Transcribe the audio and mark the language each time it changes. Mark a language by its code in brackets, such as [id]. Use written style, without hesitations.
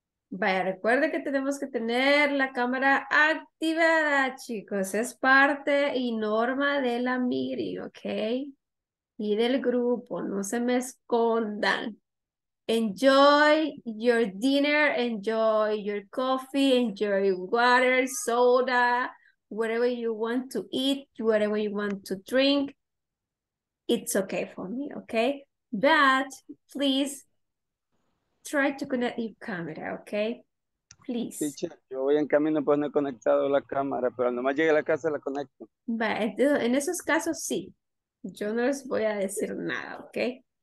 [es] Vaya, recuerde que tenemos que tener la cámara activada, chicos. Es parte y norma de la meeting, ¿ok? Y del grupo, no se me escondan. [en] Enjoy your dinner, enjoy your coffee, enjoy water, soda, whatever you want to eat, whatever you want to drink. It's okay for me, okay? But please try to connect your camera, okay? Please. [es] Teacher, yo voy en camino, pues no he conectado la cámara, pero nomás llegue a la casa la conecto. [en] But [es] en esos casos sí. Yo no les voy a decir nada, okay?